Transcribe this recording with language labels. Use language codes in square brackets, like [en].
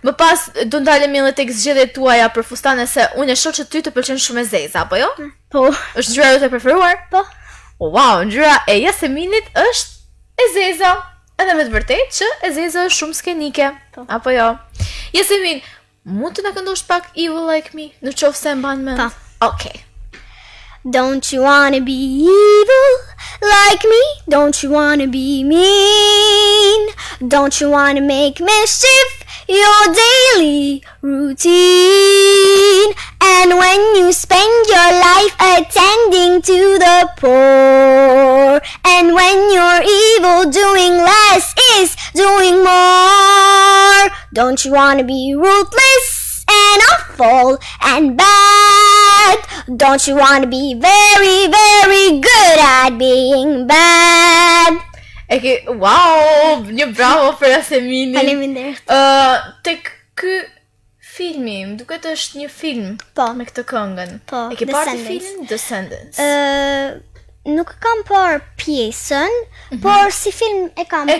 [sq] Më pas, do ndalemi edhe tek zgjedhjet tuaja për fustane, se unë e shoh që ty të pëlqen shumë e zeza, apo jo? Po. Është gjyra jote e preferuar? Po. Wow, gjyra e Jaseminit është e zeza. Edhe me të vërtet që e zeza është shumë skenike. Po. Apo jo? Jasemin, mund të na këndosh pak Evil Like Me, në qofë se mban mend? Po. Okay. [en] Don't you wanna be evil like me? Don't you wanna be mean? Don't you wanna make mischief your daily routine? And when you spend your life attending to the poor, and when you're evil, doing less is doing more. Don't you wanna be ruthless and awful and bad? Don't you wanna be very, very good at being bad? [sq] E ke, wow, një bravo për Jaseminin. Faleminderit. Tek ky filmi, më duket është një film. Po. Me këtë këngën. Po, e ke parë filmin Descendants? Nuk kam parë pjesën, mm-hmm. Por si film e kam parë.